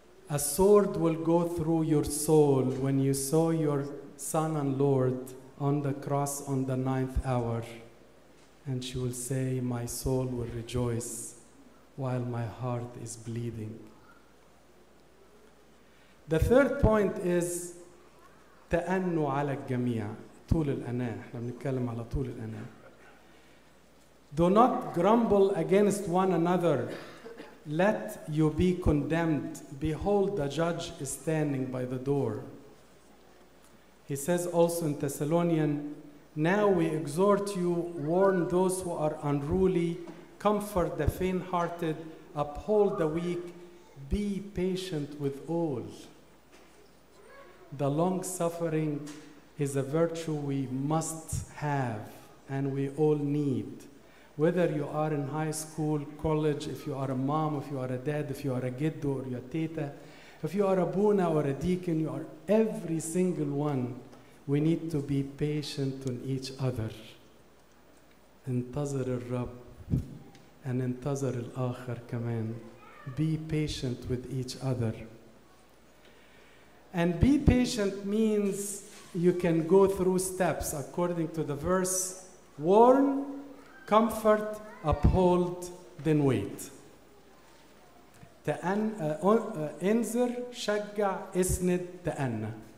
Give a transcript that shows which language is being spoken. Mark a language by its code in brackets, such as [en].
[en] A sword will go through your soul when you saw your son and Lord on the cross on the 9th hour, and she will say, my soul will rejoice while my heart is bleeding. The third point is [ar] تأنوا على الجميع طول الأناة. احنا بنتكلم على طول الأناة. [en] Do not grumble against one another. Let you be condemned. Behold, the judge is standing by the door. He says also in Thessalonians, now we exhort you, warn those who are unruly, comfort the faint-hearted, uphold the weak, be patient with all. The long-suffering is a virtue we must have and we all need. Whether you are in high school, college, if you are a mom, if you are a dad, if you are a giddo or your teta, if you are a buna or a deacon, you are every single one. We need to be patient on each other. [ar] انتظر الرب [en] and [ar] انتظر الآخر كمان. [en] Be patient with each other. And be patient means you can go through steps according to the verse, warn, comfort, uphold, then wait. [ar] انذر شجع اسند تأنى.